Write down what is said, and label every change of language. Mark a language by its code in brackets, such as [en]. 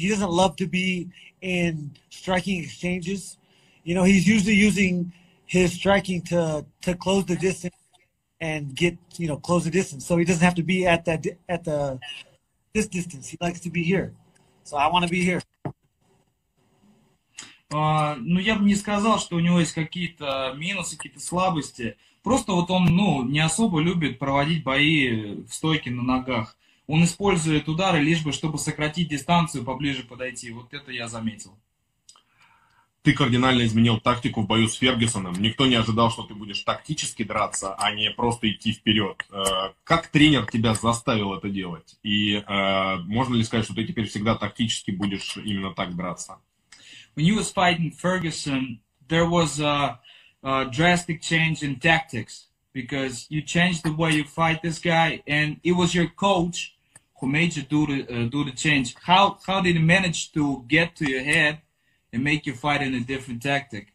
[en] He doesn't love to be in striking exchanges. You know, he's usually using his striking to close the distance. And get, you know, close the distance. So he doesn't have to be at this distance. He likes to be here. So I want to be here. [ru] Ну, я бы не сказал, что у него есть какие-то минусы, какие-то слабости. Просто вот он, ну, не особо любит проводить бои в стойке на ногах. Он использует удары лишь бы, чтобы сократить дистанцию, поближе подойти. Вот это я заметил. Ты кардинально изменил тактику в бою с Фергюсоном. Никто не ожидал, что ты будешь тактически драться, а не просто идти вперед. Как тренер тебя заставил это делать? И можно ли сказать, что ты теперь всегда тактически будешь именно так драться? [en] When you was fighting Ferguson, there was a drastic change in tactics because you changed the way you fight this guy, and it was your coach who made you do the change. How did he manage to get to your head and make you fight in a different tactic?